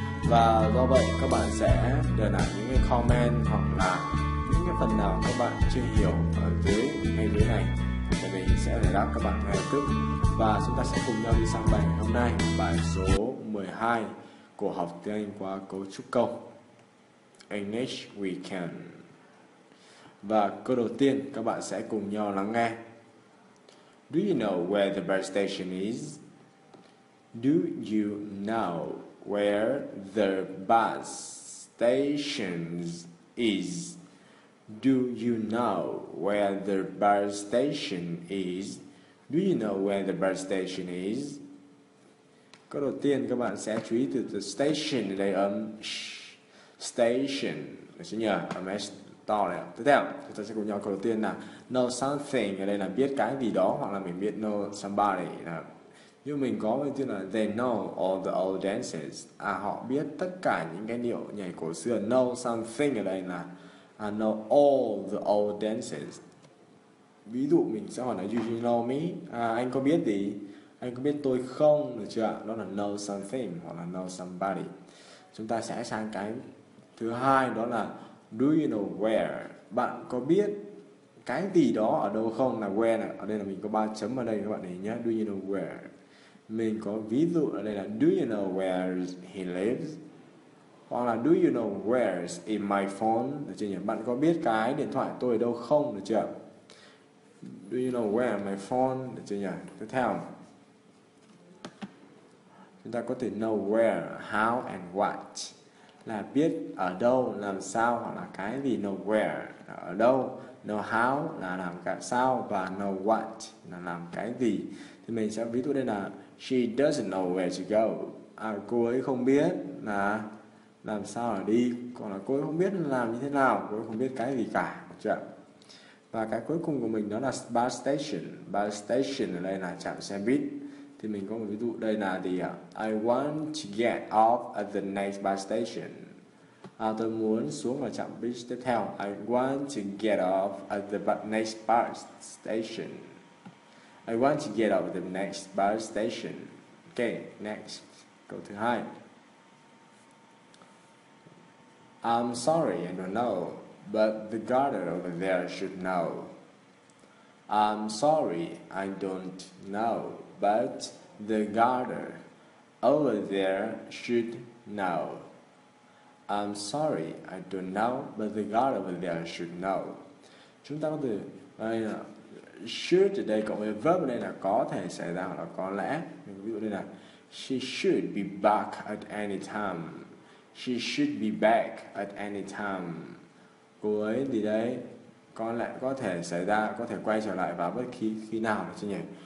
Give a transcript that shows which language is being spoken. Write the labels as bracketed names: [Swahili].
[Vietnamese] Và do vậy các bạn sẽ để lại những cái comment hoặc là những cái phần nào các bạn chưa hiểu ở dưới ngay dưới này thì mình sẽ giải đáp các bạn ngay lập tức. Và chúng ta sẽ cùng nhau đi sang bài hôm nay, bài số 12 của học tiếng Anh qua cấu trúc câu English We Can. Và câu đầu tiên các bạn sẽ cùng nhau lắng nghe. [English] Do you know where the bus station is? Do you know where the bus station is? Do you know where the bus station is? Do you know where the bus station is? [Vietnamese] Câu đầu tiên các bạn sẽ chú ý từ the station đây, station. Được chưa nhỉ? Âm s to này. Tiếp theo chúng ta sẽ cùng nhau câu đầu tiên là know something ở đây là biết cái gì đó, hoặc là mình biết know somebody là. Như mình có cái tên là [English] they know all the old dances. [Vietnamese] À, họ biết tất cả những cái điệu nhảy cổ xưa. Know something ở đây là [English] know all the old dances. [Vietnamese] Ví dụ mình sẽ hỏi là [English] do you know me? [Vietnamese] À, anh có biết gì? Anh có biết tôi không? Được chưa? Đó là know something hoặc là know somebody. Chúng ta sẽ sang cái thứ hai, đó là [English] do you know where? [Vietnamese] Bạn có biết cái gì đó ở đâu không? Là where này. Ở đây là mình có 3 chấm ở đây các bạn ấy nhé. [English] Do you know where? [Vietnamese] Mình có ví dụ ở đây là [English] do you know where he lives? [Vietnamese] Hoặc là [English] do you know where is in my phone? [Vietnamese] Được chưa nhỉ? Bạn có biết cái điện thoại tôi ở đâu không? Được chưa? [English] Do you know where my phone? [Vietnamese] Được chưa nhỉ? Tiếp theo, chúng ta có thể [English] know where, how and what. [Vietnamese] Là biết ở đâu, làm sao, hoặc là cái gì. Know where là ở đâu, know how là làm cái sao, và know what là làm cái gì. Thì mình sẽ ví dụ đây là [English] she doesn't know where to go. [Vietnamese] À, cô ấy không biết là làm sao để đi. Còn là cô ấy không biết làm như thế nào. Cô ấy không biết cái gì cả. Chưa? Và cái cuối cùng của mình đó là bus station. Bus station ở đây là trạm xe buýt. Thì mình có một ví dụ đây là gì ạ? [English] I want to get off at the next bus station. [Vietnamese] À, tôi muốn xuống ở trạm bus tiếp theo. [English] I want to get off at the next bus station. I want to get off the next bus station. Ok, next. [Vietnamese] Câu thứ hai. [English] I'm sorry, I don't know, but the gardener over there should know. I'm sorry, I don't know, but the gardener over there should know. I'm sorry, I don't know, but the gardener over there should know. [Vietnamese] Chúng ta có thể should ở đây cộng với verb đây là có thể xảy ra hoặc là có lẽ. Mình ví dụ đây là [English] she should be back at any time. She should be back at any time. [Vietnamese] Cô ấy thì đấy có lẽ có thể xảy ra, có thể quay trở lại vào bất kỳ khi nào, chứ nhỉ?